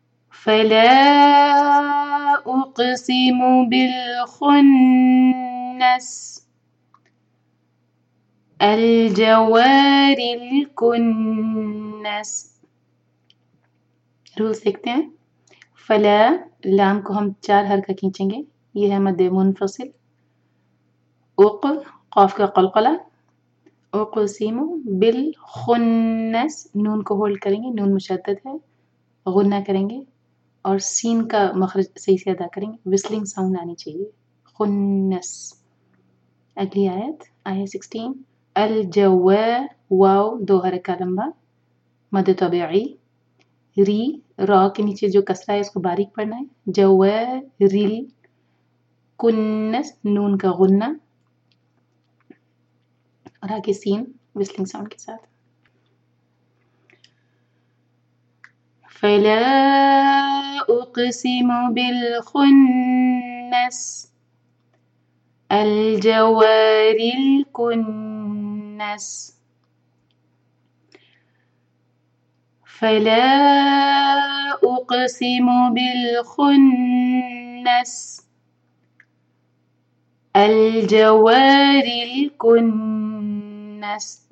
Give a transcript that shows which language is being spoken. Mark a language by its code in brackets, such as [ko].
[ar] فلا أقسم بالخنس الجوار الكنس. [ur] رول سیکھتے ہیں. فلا لام کو ہم چار حرکہ کھینچیں گے, یہ ہے مد منفصل. اق قاف کا قلقلہ. اقسم بالخنس نون کو ہولڈ کریں گے, نون مشدد ہے, غنہ کریں گے اور سین کا مخرج صحیح سے ادا کریں گے, وسلنگ ساؤنڈ آنی چاہیے. خنس. اگلی آیت آیت 16. الجو واو دو حرکہ لمبا مد طبعی. ری را کے نیچے جو کسرہ ہے اس کو باریک پڑھنا ہے. جو ریل کنس نون کا غنہ اور آگے سین وسلنگ ساؤنڈ کے ساتھ. [ar] فلا أقسم بالخنس الجوار الكنس فلا أقسم بالخنس الجوار الكنس